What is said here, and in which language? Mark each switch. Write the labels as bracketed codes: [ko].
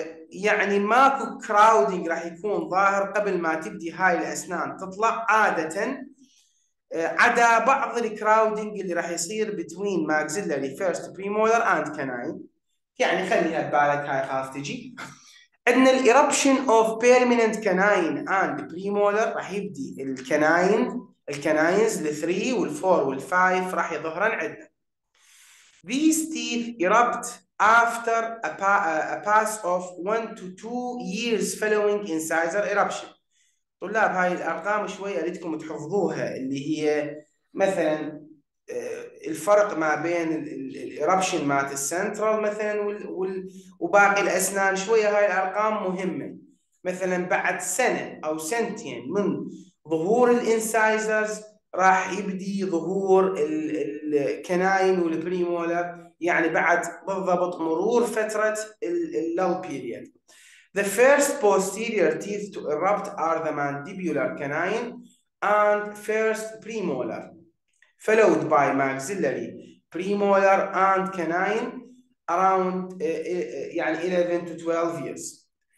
[ar] يعني ماكو كراودنج راح يكون ظاهر قبل ما تبدي هاي الاسنان تطلع عاده، عدا بعض الكراودنج اللي راح يصير [en] between maxillary first premolar and canine. [ar] يعني خليها ببالك هاي خلاص تجي. عندنا الايربشن اوف بيرمننت كناين اند بريمولر، راح يبدي الكناين الكناينز ال 3 وال 4 وال 5 راح يظهرن عندنا. [en] These teeth erupt after a pass of 1 to 2 years following incisor eruption. [ar] طلاب هاي الارقام شوي اريدكم تحفظوها، اللي هي مثلا الفرق ما بين الايربشن مات السنترال مثلا وباقي الاسنان، شويه هاي الارقام مهمه. مثلا بعد سنه او سنتين من ظهور الانسايزرز راح يبدي ظهور الكناين والبريمولر، يعني بعد بالضبط مرور فتره اللو بيريد. [en] The first posterior teeth to erupt are the mandibular canine and first premolar followed by maxillary premolar and canine around يعني 11 to 12 years.